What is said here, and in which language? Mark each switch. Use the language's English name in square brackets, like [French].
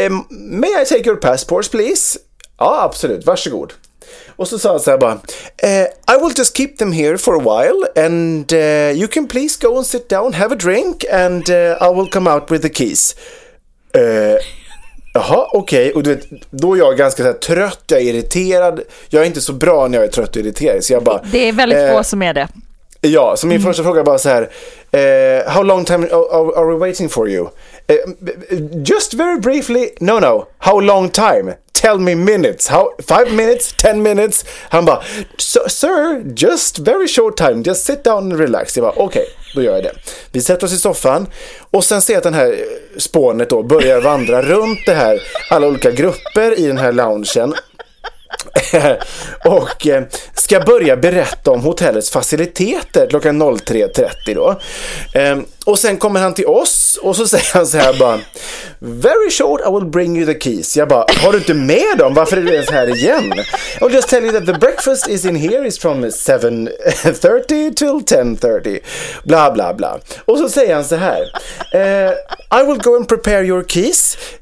[English] May I take your passports, please? [Swedish] Ja, absolut. Varsågod. Och så sa han så här bara, [English] I will just keep them here for a while and you can please go and sit down, have a drink and I will come out with the keys. [Swedish] Jaha, okej. Okay. Och du vet, då är jag ganska så här trött, jag är irriterad. Jag är inte så bra när jag är trött och irriterad. Så jag bara, det är väldigt få som är det. Ja, så min första fråga är bara så här, [English] how long time are we waiting for you? Just very briefly, no. How long time? Tell me minutes. How, 5 minutes? 10 minutes? [Swedish] Han bara, [English] sir, just very short time. Just sit down and relax. [Swedish] Jag bara, okej, okay, då gör jag det. Vi sätter oss i soffan. Och sen ser jag att den här spånet då börjar vandra runt det här. Alla olika grupper i den här loungen. Och ska börja berätta om hotellets faciliteter klockan 03:30 då. Och sen kommer han till oss och så säger han så här bara, [English] very short, I will bring you the keys. [Swedish] Jag bara, har du inte med dem? Varför är du ens här igen? [English] I'll just tell you that the breakfast is in here is from 7:30 till 10:30. Bla bla bla. [Swedish] Och så säger han så här, [English] I will go and prepare your keys.